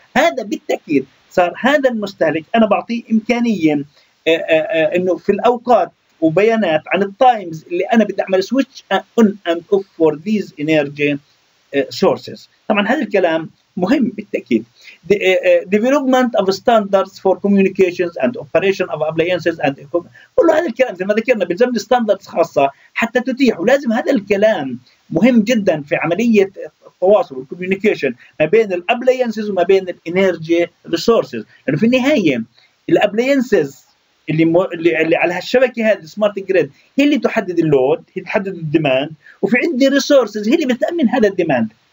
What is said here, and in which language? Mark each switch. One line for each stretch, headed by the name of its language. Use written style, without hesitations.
Arabic: هذا بالتأكيد صار هذا المستهلك أنا بعطيه إمكانية أنه في الأوقات وبيانات عن التايمز اللي أنا بدي أعمل
English: switch on and off for these energy sources.
Arabic: طبعا هذا الكلام مهم بالتأكيد.
English: Development of standards for communications and operation of appliances and equipment.
Arabic: كل هذا الكلام زي ما ذكرنا بيلزم standards خاصة حتى تتيح، ولازم هذا الكلام مهم جدا في عملية التواصل والcommunication ما بين الappliances وما بين الenergy resources. لأنه يعني في النهاية الappliances اللي على هالشبكة هذه smart grid هي اللي تحدد اللود، هي تحدد الديماند، وفي عندي resources هي اللي بتأمن هذا الديماند.